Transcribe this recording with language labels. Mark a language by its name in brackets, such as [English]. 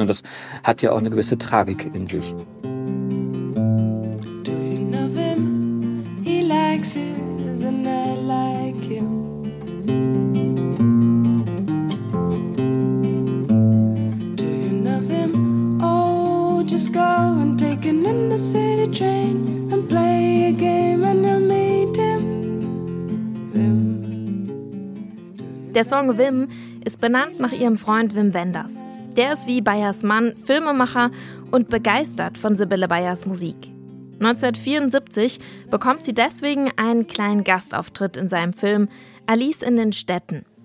[German] Und das hat ja auch eine gewisse Tragik in sich. [English] Do you love him? He likes his and I like him. Do you love him? Oh, just go and take him in the city train and play a game and you'll meet him. [German] Der Song Wim ist benannt nach ihrem Freund Wim Wenders. Der ist wie Bayers Mann Filmemacher und begeistert von Sibylle Bayers Musik. 1974 bekommt sie deswegen einen kleinen Gastauftritt in seinem Film Alice in den Städten.